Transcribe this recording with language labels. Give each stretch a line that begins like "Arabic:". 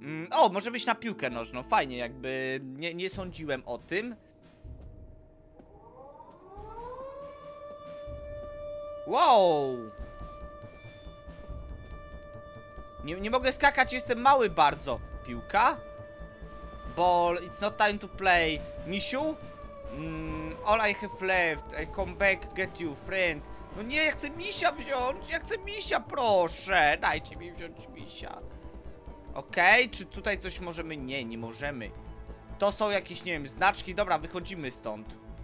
Polish: O, może być na piłkę nożną, fajnie, jakby nie sądziłem o tym. Wow! Nie mogę skakać, jestem mały bardzo. Piłka?
English: Ball, it's not time to play. Misiu? All I have left, I come back, get you, friend.
Polish: No nie, ja chcę misia wziąć, ja chcę misia, proszę, dajcie mi wziąć misia. Okej, czy tutaj coś możemy? Nie, nie możemy. To są jakieś, nie wiem, znaczki, dobra, wychodzimy stąd.